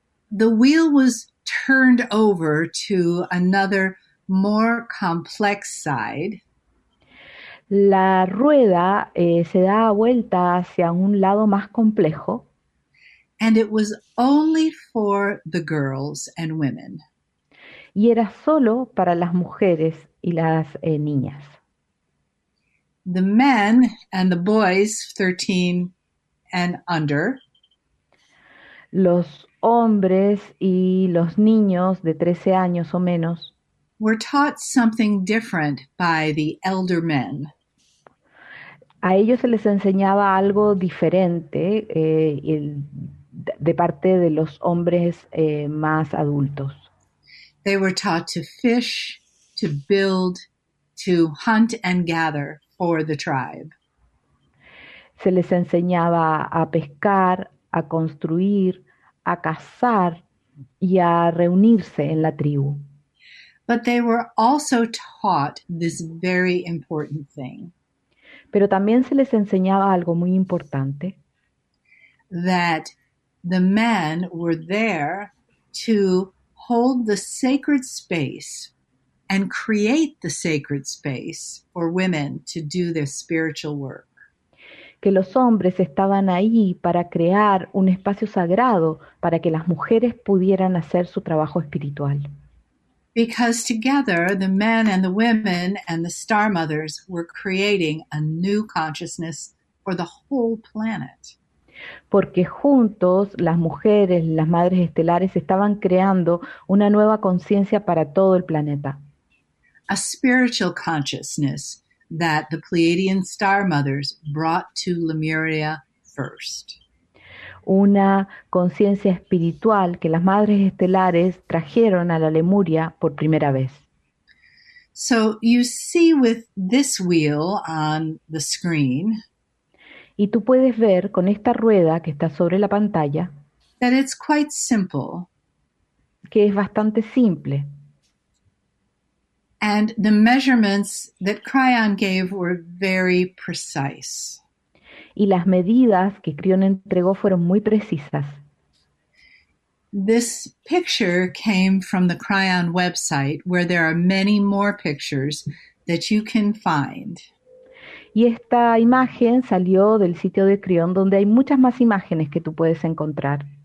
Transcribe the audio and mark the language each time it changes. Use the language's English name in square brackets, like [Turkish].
[English] the wheel was turned over to another more complex side. [Spanish] La rueda se da vuelta hacia un lado más complejo. [English] And it was only for the girls and women. [Spanish] Y era solo para las mujeres y las niñas. [English] The men and the boys, 13 and under. [Spanish] Los hombres y los niños de 13 años o menos. [English] Were taught something different by the elder men. [Spanish] A ellos se les enseñaba algo diferente de parte de los hombres más adultos. [English] They were taught to fish, to build, to hunt and gather for the tribe. [Spanish] Se les enseñaba a pescar, a construir, a cazar y a reunirse en la tribu. [English] But they were also taught this very important thing. [Spanish] Pero también se les enseñaba algo muy importante. [English] That the men were there to hold the sacred space and create the sacred space for women to do their spiritual work. [Spanish] Que los hombres estaban ahí para crear un espacio sagrado para que las mujeres pudieran hacer su trabajo espiritual. [English] Because together the men and the women and the star mothers were creating a new consciousness for the whole planet. [Spanish] Porque juntos las mujeres, las madres estelares, estaban creando una nueva conciencia para todo el planeta. [English] A spiritual consciousness that the Pleiadian star mothers brought to Lemuria first. [Spanish] Una conciencia espiritual que las madres estelares trajeron a la Lemuria por primera vez. [English] So you see with this wheel on the screen. [Spanish] Y tú puedes ver con esta rueda que está sobre la pantalla. [English] That it's quite simple. [Spanish] Que es bastante simple. [English] And the measurements that Kreon gave were very precise. [Spanish] Y las medidas que Kreon entregó fueron muy precisas. [English] This picture came from the Kreon website, where there are many more pictures that you can find. [Spanish] Y esta imagen salió del sitio de Kreon, donde hay muchas más imágenes que tú puedes encontrar.